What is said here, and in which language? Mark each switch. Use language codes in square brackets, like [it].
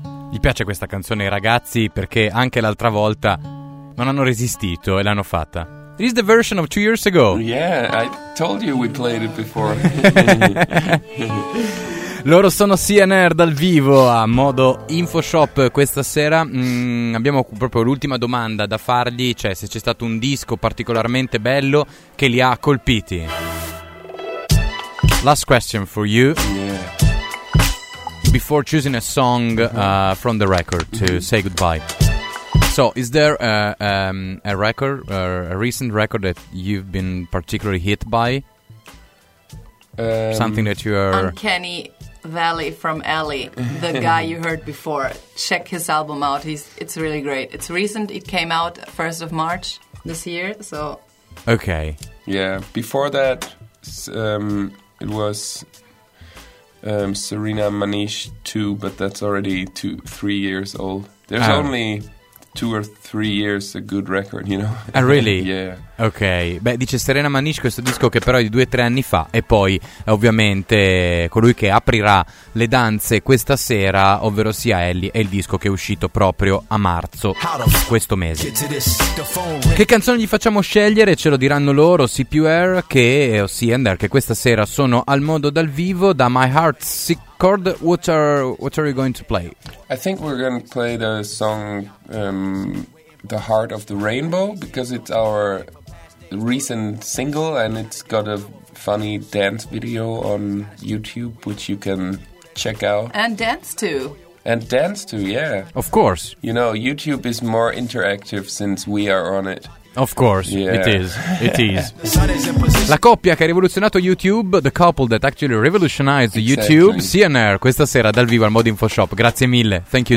[it] Gli piace questa canzone ai ragazzi perché anche l'altra volta non hanno resistito e l'hanno fatta. [en] This is the version of 2 years ago. Yeah, I told you we played it before. [it] Loro sono CNR dal vivo a modo Info Shop questa sera. Abbiamo proprio l'ultima domanda da fargli, cioè se c'è stato un disco particolarmente bello che li ha colpiti. [en] Last question for you. Yeah. Before choosing a song from the record to say goodbye. So, is there a record, a recent record that you've been particularly hit by? Something that you are... Uncanny Valley from Ellie, the guy you heard before. Check his album out. It's really great. It's recent. It came out 1st of March this year, so... Okay. Yeah, before that, it was Serena Manish 2, but that's already 2-3 years old. There's only... 2 or 3 years a good record, you know? Ah, really? Yeah. Ok. [it] Beh, dice Serena Manish, questo disco che però è di 2-3 anni fa, e poi ovviamente colui che aprirà le danze questa sera, ovvero sia Ellie, è il disco che è uscito proprio a marzo questo mese. Che canzone gli facciamo scegliere? Ce lo diranno loro, CPR, che ossia Ender, che questa sera sono al modo dal vivo da My Heart Sick Chord. [en] What are you going to play? I think we're going to play the song The Heart of the Rainbow, because it's our recent single and it's got a funny dance video on YouTube which you can check out. And dance to, yeah. Of course. You know, YouTube is more interactive since we are on it. Of course, yeah. It is. [it] La coppia che ha rivoluzionato YouTube, [en] the couple that actually revolutionized exactly. [it] YouTube, CNR, questa sera dal vivo al Modo Info Shop. Grazie mille, [en] thank you